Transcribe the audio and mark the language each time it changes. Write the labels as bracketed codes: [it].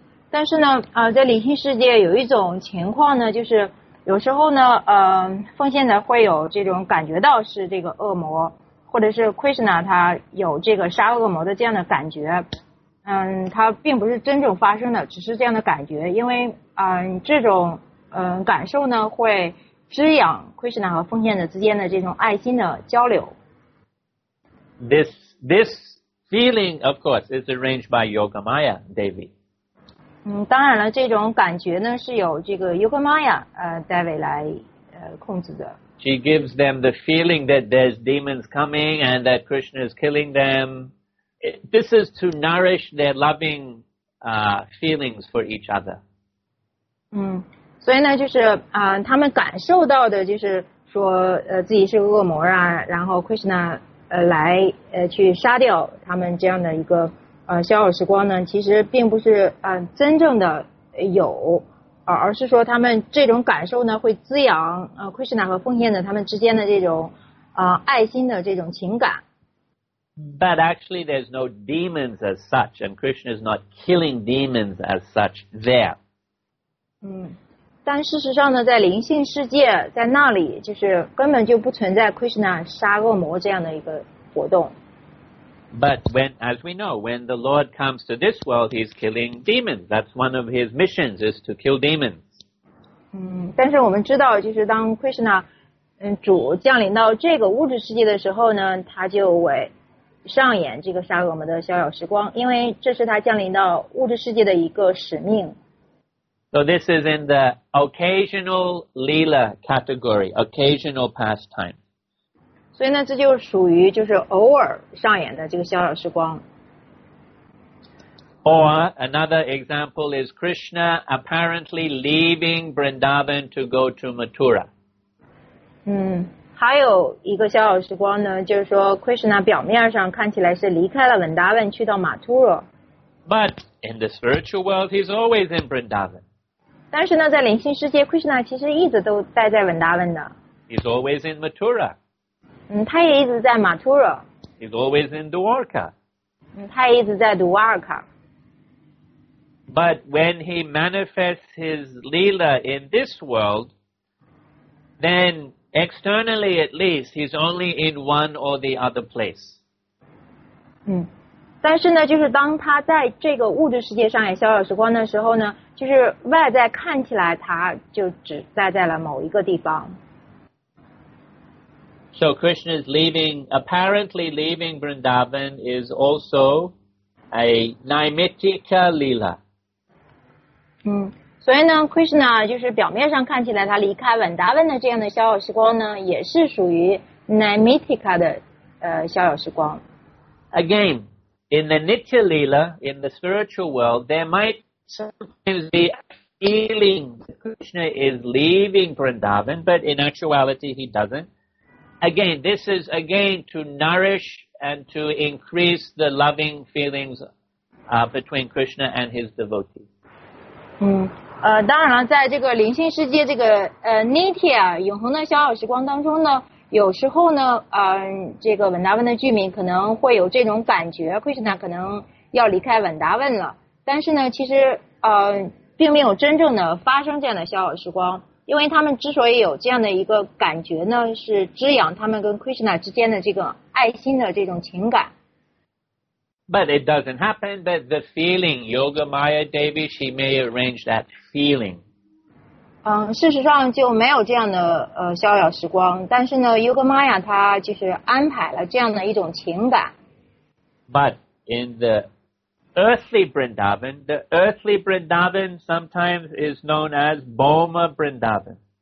[zh] 但是呢，在灵性世界有一种情况呢，就是有时候呢，奉献者会有这种感觉到是这个恶魔，或者是 Krishna 他有这个杀恶魔的这样的感觉。它并不是真正发生的，只是这样的感觉，因为这种感受呢，会滋养 Krishna 和奉献者之间的这种爱心的交流。 [en] This feeling, of course, is arranged by Yogamaya Devi. [zh] 当然了，这种感觉呢是由这个 Yogamaya Devi 来控制的。 [en] She gives them the feeling that there's demons coming and that Krishna is killing them. This is to nourish their loving feelings for each other. [zh] 所以呢，就是他们感受到的，就是说自己是恶魔啊，然后 Krishna 来去杀掉他们这样的一个逍遥时光呢，其实并不是真正的有，而是说他们这种感受呢，会滋养Krishna 和奉献者他们之间的这种爱心的这种情感。 [en] But actually, there's no demons as such, and Krishna is not killing demons as such there. [zh] 但事实上呢，在灵性世界，在那里，就是根本就不存在 Krishna 杀恶魔这样的一个活动。 [en] But when, as we know, when the Lord comes to this world, he's killing demons. That's one of his missions, is to kill demons. [zh] 但是我们知道，就是当 Krishna 主降临到这个物质世界的时候呢，他就为上演这个杀恶魔的逍遥时光，因为这是他降临到物质世界的一个使命。 [en] So this is in the occasional leela category, occasional pastime. [zh] 所以呢，这就属于就是偶尔上演的这个逍遥时光。 [en] Or another example is Krishna apparently leaving Vrindavan to go to Mathura. [zh] 还有一个逍遥时光呢，就是说 Krishna 表面上看起来是离开了 Vrindavan 去到 Mathura。 [en] But in the spiritual world, he's always in Vrindavan. [zh] 但是呢，在灵性世界 ，Krishna 其实一直都待在 Vrindavan 的。 [en] He's always in Mathura. [zh] 他也一直在 Mathura. [en] He's always in Dwarka. [zh] 他也一直在 Dwarka. [en] But when he manifests his leela in this world, then externally, at least, he's only in one or the other place. [zh] 但是呢，就是当他在这个物质世界上演逍遥时光的时候呢，就是外在看起来他就只待在了某一个地方。 [en] So Krishna is leaving, apparently leaving Vrindavan is also a Naimittika Leela. [zh] 所以呢 ，Krishna 就是表面上看起来他离开 Vrindavan 的这样的逍遥时光呢，也是属于 Naimittika 的逍遥时光。 [en] Again, in the Nitya Lila, in the spiritual world, there might sometimes be a feeling that Krishna is leaving Vrindavan, but in actuality he doesn't. Again, this is again to nourish and to increase the loving feelings between Krishna and his devotees. [zh] 当然了，在这个灵性世界，这个Nitya 永恒的逍遥时光当中呢，有时候呢，这个文达文的居民可能会有这种感觉 ，Krishna 可能要离开文达文了。但是呢，其实并没有真正的发生这样的逍遥时光，因为他们之所以有这样的一个感觉呢，是滋养他们跟 Krishna 之间的这个爱心的这种情感。 [en] But it doesn't happen, but the feeling, Yoga Maya Devi, she may arrange that feeling. [zh] 事实上就没有这样的逍遥时光，但是呢 ,Yoga Maya 她就是安排了这样的一种情感。 [en] But in the earthly Vrindavan, the earthly Vrindavan sometimes is known as Boma Vrindavan.